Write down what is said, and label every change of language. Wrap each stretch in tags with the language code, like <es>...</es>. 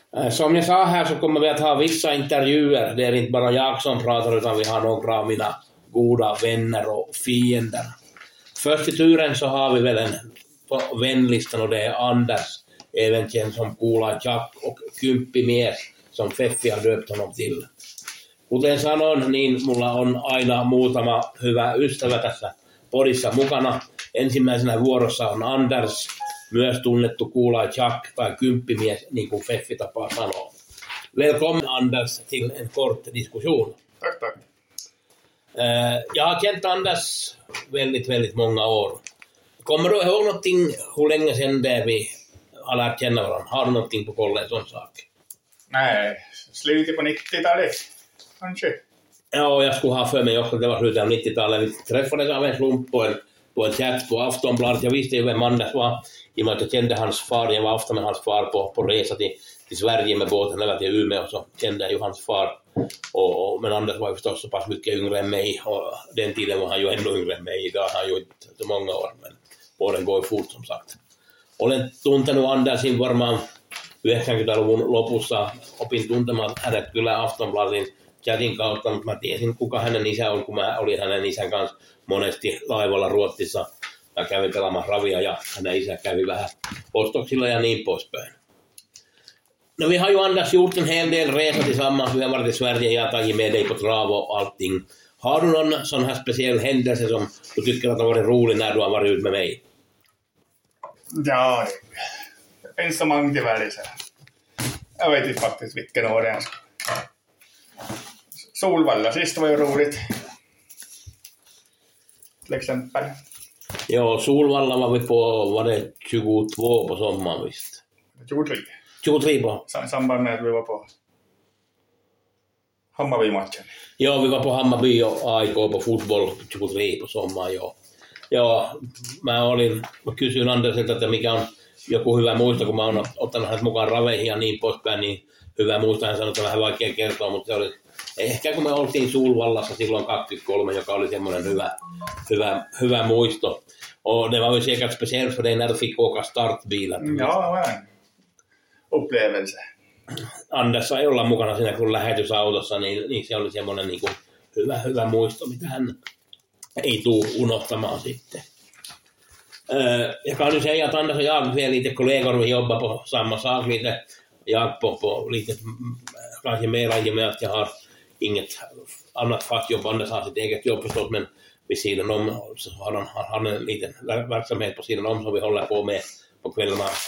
<sv>Som jag sa här så kommer vi att ha vissa intervjuer. Det är inte bara jag som pratar, utan vi har några av mina goda vänner och fiender. Först i turen så har vi väl en på vänlistan, och det är Anders, även känd som Kula Jack och Kymppi Mies, som Feffi har döpt honom till.</sv> <fi>Kuten sanon, niin mulla on aina muutama hyvä ystävä tässä podissa mukana. Ensimmäisenä vuorossa on Anders, myös tunnettu Kula Jack tai Kymppi Mies, niin kuin Feffi tapaa sanoa.</fi> <sv>Välkommen Anders till en kort diskussion. Tack, tack. Jag har känt Anders väldigt, väldigt många år. Kommer du ihåg någonting, hur länge sedan det vi har lärt känna varandra? Har du någonting på kollen, sån sak? Nej, slutet på 90-talet, kanske. Ja, jag skulle ha för mig också, det var slutet av 90-talet. Vi träffades av en slump på en chat på Aftonbladet. Jag visste ju vem Anders var, i och med att jag kände hans far. Jag var ofta med hans far på resa till Sverige med båten eller till Umeå, och så kände jag ju hans far. Men Anders var ju förstås så pass mycket yngre än mig, och den tiden var han ju ännu yngre än mig. Idag har han ju inte så många år, men åren går ju fort som sagt.</sv> <fi>Olen tuntenut Andersin varmaan 90-luvun lopussa. Opin tuntemaan hänet kyllä Aftonbladin chatin kautta, mutta mä tiesin kuka hänen isä on, kun mä olin hänen isän kanssa monesti laivalla Ruotsissa. Mä kävin pelaamassa ravia ja hänen isä kävi vähän ostoksilla ja niin poispäin.</fi> <sv>No vi har ju Anders gjort en hel del resa tillsammans. Vi har varit i Sverige, jag tagit med dig på trav och allting. Har du någon sån här speciell händelse som du tycker att det har varit rolig när du har varit ut med mig? Ja, en så många diverse. Jag vet inte faktiskt vilken år det är. Solvalla, sist var ju roligt. Till exempel. Ja, Solvalla var vi på, var det 22 på sommaren visst? 23. 23 på? Samband med att vi var på Hammarby-matchen. Ja, vi var på Hammarby och AIK på fotboll 23 på sommaren, ja.</sv> <fi>Ja, mä kysyin Andersilta, että mikä on joku hyvä muisto, kun mä oon ottanut hänet mukaan raveihin ja niin poispäin, niin hyvä muisto, hän sanoi, että vähän vaikea kertoa, mutta se oli ehkä kun me oltiin Suulvallassa silloin 23, joka oli semmoinen hyvä muisto.</fi> <sv>Och det var väl säkert speciellt för dig när du fick åka startbilen. Ja, vähän. Upplevelse.</sv> <fi>Anders sai olla mukana siinä kun lähetysautossa, niin se oli semmoinen niin kuin hyvä muisto, mitä hän ei tuu unohtamaan sitten.</fi> <sv>Ja kan du säga att Anders och jag är lite kollegor, vi jobbar på samma sak lite. Jag på lite kanske mer än med att jag har inget annat fast jobb. Anders har sitt eget jobb förstås, men vid sidan om så har han en liten verksamhet på sidan om som vi håller på med på kvällarna.</sv>